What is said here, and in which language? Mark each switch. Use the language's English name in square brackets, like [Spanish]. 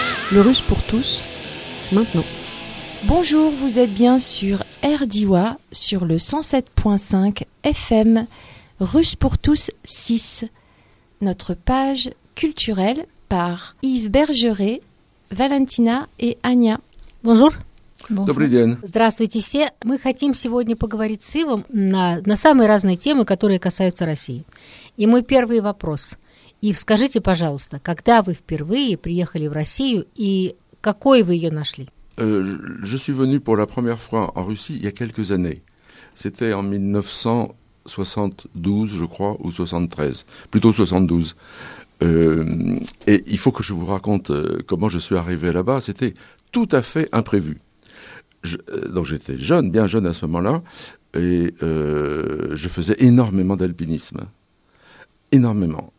[French] Le russe pour tous, maintenant. Bonjour, vous êtes bien sur RDIWA, sur le 107.5 FM, Russe pour tous 6. Notre page culturelle par Yves Bergeret, Valentina et Anya. Bonjour. [Russian] Bonjour. Добрый день. Здравствуйте все. Мы хотим сегодня поговорить с Ивом на самые разные темы, которые касаются России. И мой первый вопрос. Ив, скажите, пожалуйста, когда вы впервые приехали в Россию и какой вы ее нашли? [French] Je suis venu pour la première fois en Russie il y a quelques années. C'était en 1972, je crois, ou 73. Plutôt 72. Et il faut que je vous raconte comment je suis arrivé là-bas. C'était tout à fait imprévu. Donc j'étais jeune, bien jeune à ce moment-là, et je faisais énormément d'alpinisme, énormément.